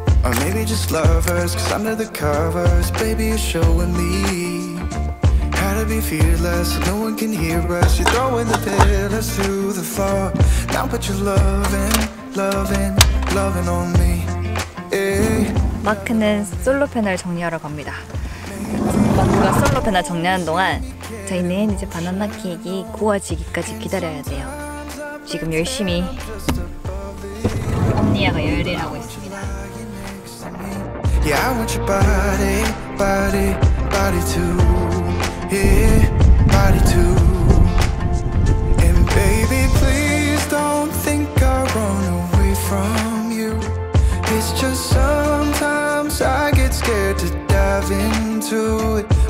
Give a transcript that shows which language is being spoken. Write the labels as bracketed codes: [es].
[en] Or maybe just lovers, cause under the covers, baby, you're showing me. To be fearless, so no one can hear us. You're throwing the pillars through the floor. Now put your loving, loving, loving on me. Yeah. [ko] 마크는 솔로 펜을 정리하러 갑니다. 마크가 솔로 펜을 정리하는 동안 저희는 이제 바나나 케이크가 구워지기까지 기다려야 돼요. 지금 열심히 언니하고 열일하고 있습니다. [en] Yeah, I want your body, body, body too. Yeah, body too. And baby, please don't think I run away from you. It's just sometimes I get scared to dive into it.